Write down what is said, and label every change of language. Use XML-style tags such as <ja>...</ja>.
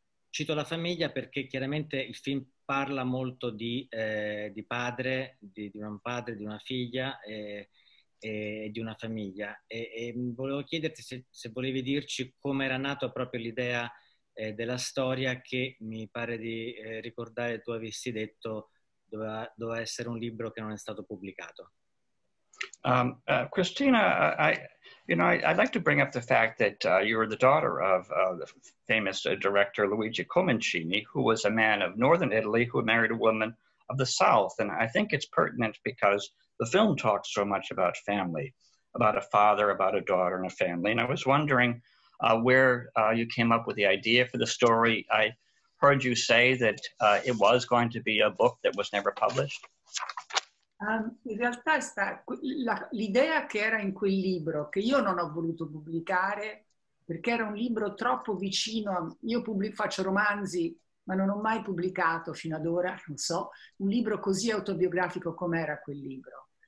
<it>Cito la famiglia perché chiaramente il film parla molto di padre, di un padre, di una figlia e di una famiglia. E volevo chiederti se volevi dirci come era nata proprio l'idea della storia, che mi pare di ricordare tu avessi detto doveva essere un libro che non è stato pubblicato.</it> <en>Cristina, I'd like to bring up the fact that you're the daughter of the famous director Luigi Comencini, who was a man of northern Italy who married a woman of the south. And I think it's pertinent because the film talks so much about family, about a father, about a daughter and a family. And I was wondering where you came up with the idea for the story. I heard you say that it was going to be a book that was never published.</en> <it>In realtà l'idea che era in quel libro, che io non ho voluto pubblicare perché era un libro troppo vicino, faccio romanzi ma non ho mai pubblicato fino ad ora, non so, un libro così autobiografico come era quel libro.</it>